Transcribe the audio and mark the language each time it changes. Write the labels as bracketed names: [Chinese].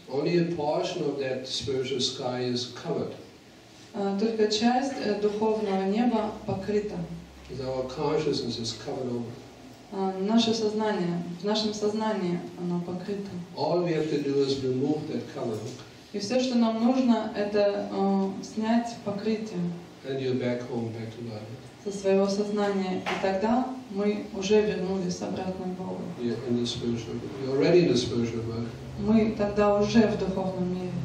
[English] Only a portion of that spiritual sky is covered. [Russian] Только часть духовного неба покрыта. [English] Our consciousness is covered over. [Russian] Наше сознание, в нашем сознании оно покрыто. [English] All we have to do is remove that covering. [Russian] И все, что нам нужно, это снять покрытие. [English] And you're back home, back to Godhead. [Russian] Со своего сознания, и тогда мы уже вернулись обратно к Богу. [English] You're in the spiritual world. You're already in the spiritual world. [Russian] Мы тогда уже в духовном мире.